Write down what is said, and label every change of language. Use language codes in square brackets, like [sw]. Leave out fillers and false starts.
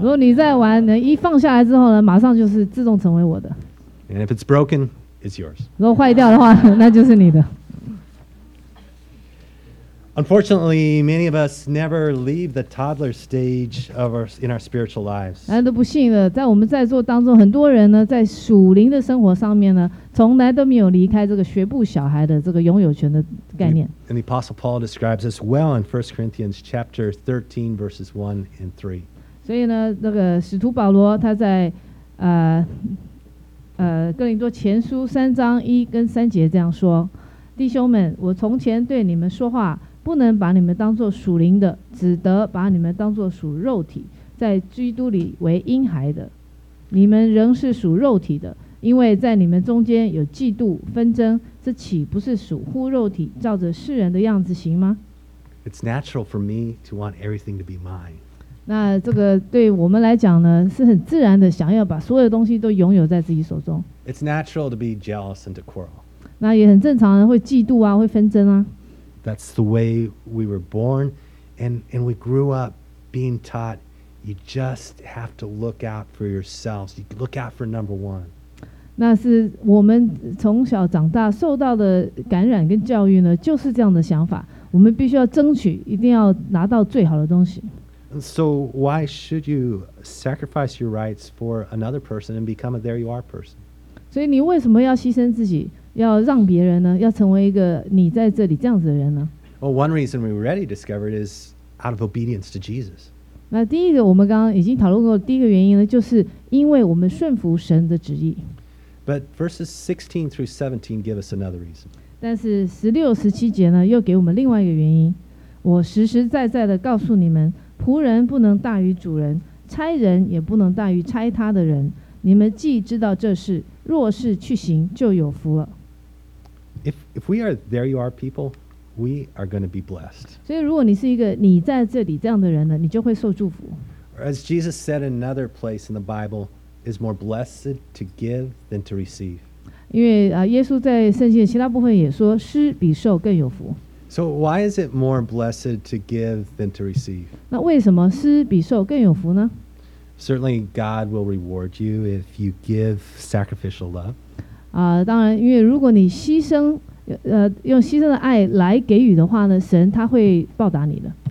[zh] 如果你在玩，你一放下来之后呢，马上就是自动成为我的。 [en] And if it's broken, it's yours. [zh] 如果坏掉的话，那就是你的。 [en] Unfortunately, many of us never leave the toddler stage of our in our spiritual lives. [zh] 但是不幸的，在我们在座当中，很多人呢，在属灵的生活上面呢，从来都没有离开这个学步小孩的这个拥有权的概念。 [en] And the Apostle Paul describes this well in 1 Corinthians chapter 13, verses 1 and 3. [zh] 所以呢，这个使徒保罗他在哥林多前书三章一跟三节这样说：弟兄们，我从前对你们说话。不能把你们当作属灵的，只得把你们当作属肉体，在基督里为婴孩的。你们仍是属肉体的，因为在你们中间有嫉妒纷争，这岂不是属乎肉体，照着世人的样子行吗？ [en] It's natural for me to want everything to be mine. [zh] 那这个对我们来讲呢，是很自然的，想要把所有东西都拥有在自己手中。 [en] It's natural to be jealous and to quarrel. [zh] 那也很正常的，会嫉妒啊，会纷争啊。 [en] That's the way we were born, and we grew up being taught you just have to look out for yourselves. You look out for number one. [zh] 那是我们从小长大受到的感染跟教育呢，就是这样的想法。我们必须要争取，一定要拿到最好的东西。 [en] And so why should you sacrifice your rights for another person and become a there you are person? [zh] 所以你为什么要牺牲自己？要让别人呢，要成为一个你在这里这样子的人呢 [en] ？Well, one reason we already discovered is out of obedience to Jesus. [zh] 那第一个，我们刚刚已经讨论过第一个原因呢，就是因为我们顺服神的旨意。 [en] But verses 16 through 17 give us another reason. [zh] 但是十六、十七节呢，又给我们另外一个原因。我实实在在的告诉你们，仆人不能大于主人，差人也不能大于差他的人。你们既知道这事，若是去行，就有福了。 [en] If we are there you are people, we are going to be blessed. [zh] 所以如果你是一个你在这里这样的人呢，你就会受祝福。 [en] As Jesus said in another place in the Bible, is more blessed to give than to receive. [zh] 因为耶稣在圣经的其他部分也说，施比受更有福。 [en] So why is it more blessed to give than to receive? [zh] 那为什么施比受更有福呢？ [en] Certainly God will reward you if you give sacrificial love. [zh] 当然，因为如果你牺牲，用牺牲的爱来给予的话呢，神他会报答你的。